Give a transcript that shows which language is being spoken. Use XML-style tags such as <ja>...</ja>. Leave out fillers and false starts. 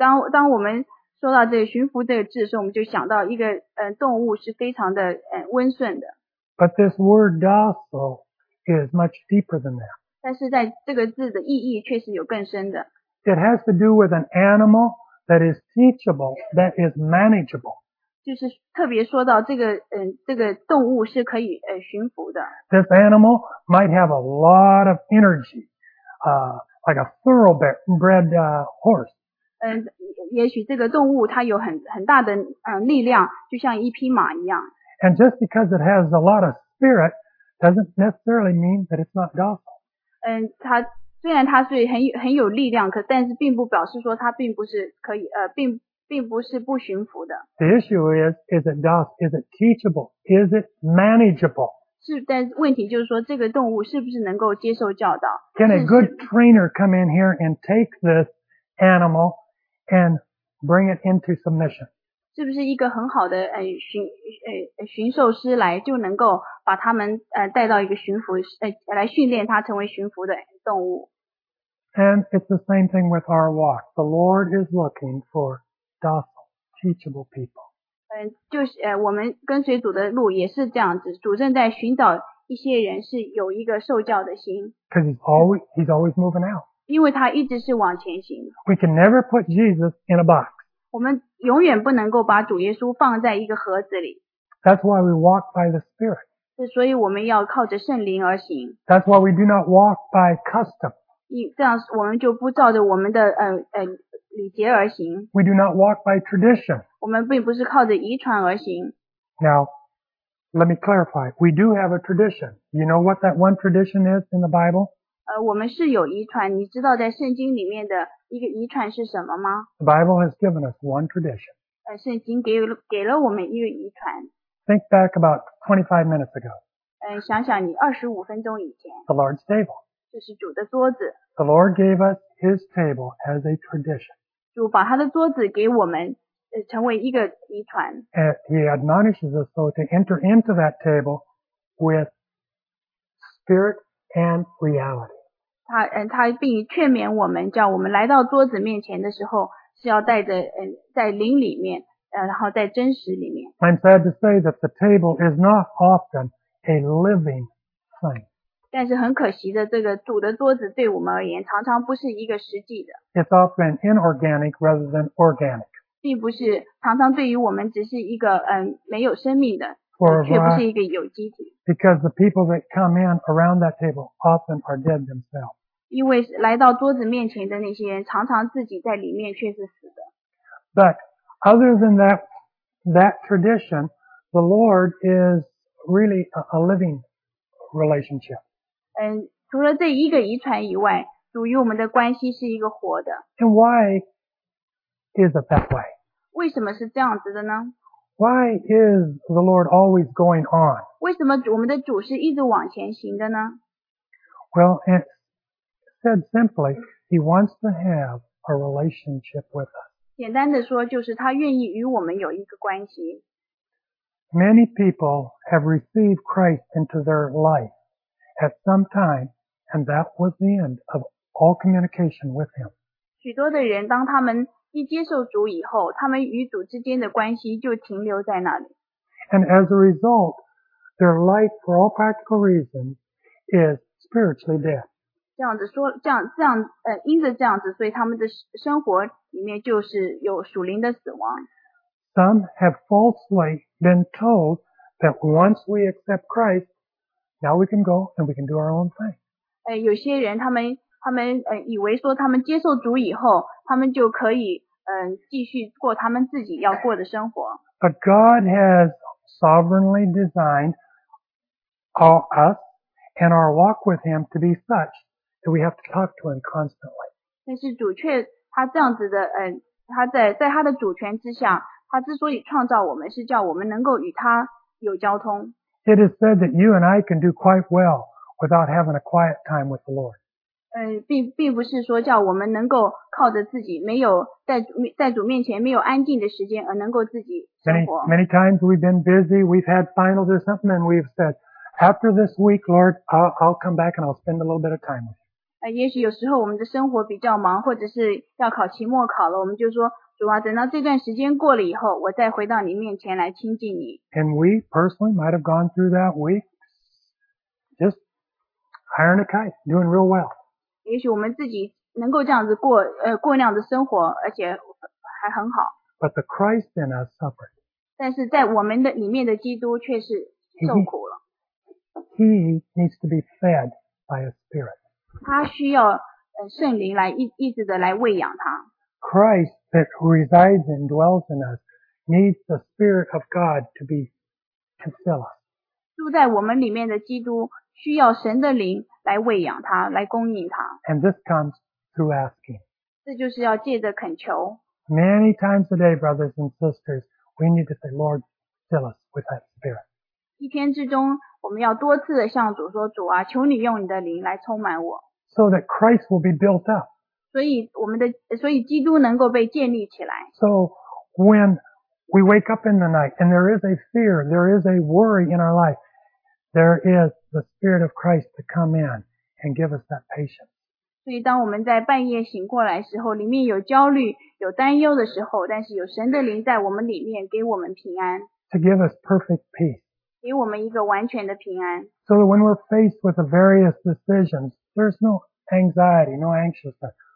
<zh>当我们说到这个驯服这个字的时候，我们就想到一个动物是非常的温顺的。</zh> <en>But this word docile is much deeper than that.</en> <zh>但是在这个字的意义确实有更深的。</zh> <en>It has to do with an animal that is teachable, that is manageable.</en> <zh>就是特别说到这个动物是可以驯服的。</zh> <en>This animal might have a lot of energy, like a thoroughbred horse.</en> <zh>也许这个动物它有很大的力量，就像一匹马一样。</zh> <en>And just because it has a lot of spirit doesn't necessarily mean that it's not docile.</en> <zh>它虽然它是很有力量，但是并不表示说它并不是可以并不是不驯服的。</zh> <en>The issue is it docile? Is it teachable? Is it manageable?</en> <zh>是，但问题就是说，这个动物是不是能够接受教导</zh> <en>？Can a good trainer come in here and take this animal and bring it into submission?</en> <zh>是不是一个很好的驯兽师来就能够把他们带到一个驯服来训练它成为驯服的动物</zh> <en>？And it's the same thing with our walk. The Lord is looking for. Docile, teachable people.</en> <zh>就是我们跟随主的路也是这样子，主正在寻找一些人是有一个受教的心。</zh> <en>Because he's always moving out.</en> <zh>因为他一直是往前行。</zh> <en>We can never put Jesus in a box.</en> <zh>我们永远不能够把主耶稣放在一个盒子里。</zh> <en>That's why we walk by the Spirit.</en> <zh>所以我们要靠着圣灵而行。</zh> <en>That's why we do not walk by custom.</en> <zh>这样我们就不照着我们的礼节而行。</zh> <en>We do not walk by tradition.</en> <zh>我们并不是靠着遗传而行。</zh> <en>Now, let me clarify. We do have a tradition. You know what that one tradition is in the Bible?</en> <zh>我们是有遗传，你知道在圣经里面的一个遗传是什么吗？</zh> <en>The Bible has given us one tradition.</en> <zh>圣经给了我们一个遗传。</zh> <en>Think back about 25 minutes ago.</en> <zh>想想你25分钟以前。</zh> <en>The Lord's table.</en> <zh>这是主的桌子。</zh> <en>The Lord gave us his table as a tradition.</en> <zh>主把他的桌子给我们成为一个遗传。</zh> <en>And he admonishes us so to enter into that table with spirit and reality.</en> <zh>他并劝勉我们叫我们来到桌子面前的时候是要带着在灵里面。然后在真实里面。</zh> <en>I'm sad to say that the table is not often a living thing.</en> <zh>但是很可惜的，这个主的桌子对我们而言，常常不是一个实际的。</zh> <en>It's often inorganic rather than organic.</en> <zh>并不是，常常对于我们只是一个没有生命的，却不是一个有机体。</zh> <en>Because the people that come in around that table often are dead themselves.</en> <zh>因为来到桌子面前的那些人，常常自己在里面却是死的。</zh> <en>But other than that tradition, the Lord is really a living relationship.</en> <zh>除了这一个遗传以外，主与我们的关系是一个活的。</zh> <en>And why is it that way?</en> <zh>为什么是这样子的呢？</zh> <en>Why is the Lord always going on?</en> <zh>为什么我们的主是一直往前行的呢？</zh> <en>Well, it's said simply, he wants to have a relationship with us.</en> <zh>简单的说就是他愿意与我们有一个关系。</zh> <en>Many people have received Christ into their life at some time, and that was the end of all communication with him.</en> <zh>许多的人当他们一接受主以后，他们与主之间的关系就停留在那里。</zh> <en>And as a result, their life for all practical reasons is spiritually dead.</en> <zh>这样子说，这样，因着这样子，所以他们的生活里面就是有属灵的死亡。</zh> <en>Some have falsely been told that once we accept Christ, now we can go and we can do our own thing.</en> <zh>有些人他们以为说他们接受主以后，他们就可以继续过他们自己要过的生活。</zh> <en>But God has sovereignly designed all us and our walk with Him to be such. So we have to talk to him constantly.</en> <zh>但是主却他这样子的他在他的主权之下，他之所以创造我们是叫我们能够与他有交通。</zh> <en>It is said that you and I can do quite well without having a quiet time with the Lord.</en> <zh>并不是说叫我们能够靠着自己没有在主面前没有安静的时间而能够自己生活。</zh> <en>Many times we've been busy, we've had finals or something, and we've said, after this week, Lord, I'll come back and I'll spend a little bit of time with you.</en> <zh>也许有时候我们的生活比较忙，或者是要考期末考了，我们就说主啊，等到这段时间过了以后，我再回到你面前来亲近你。</zh> <en>And we personally might have gone through that week just hiring a kite, doing real well.</en> <zh>也许我们自己能够这样子过那样的生活，而且还很好。</zh> <en>But the Christ in us suffered.</en> <zh>但是在我们的里面的基督却是受苦了。</zh> <en>He needs to be fed by a spirit.</en> <zh>他需要圣灵来一直的来喂养他。</zh> <en>Christ that resides and dwells in us needs the Spirit of God to fill us.</en> <zh>住在我们里面的基督需要神的灵来喂养他，来供应他。</zh> <en>And this comes through asking.</en> <zh>这就是要借着恳求。</zh> <en>Many times a day, brothers and sisters, we need to say, Lord, fill us with that Spirit.</en> <zh>一天之中我们要多次的向主说主啊求你用你的灵来充满我。</zh> <en>So that Christ will be built up.</en> <zh>所以基督能够被建立起来。</zh> <en>So when we wake up in the night and there is a fear, there is a worry in our life, there is the Spirit of Christ to come in and give us that patience.</en> <zh>所以当我们在半夜醒过来的时候里面有焦虑有担忧的时候但是有神的灵在我们里面给我们平安。</zh> <en>To give us perfect peace.</en> <zh>给我们一个完全的平安。</zh> <en>So that when we're faced with the various decisions, there's no anxiety, no anxiousness.</en>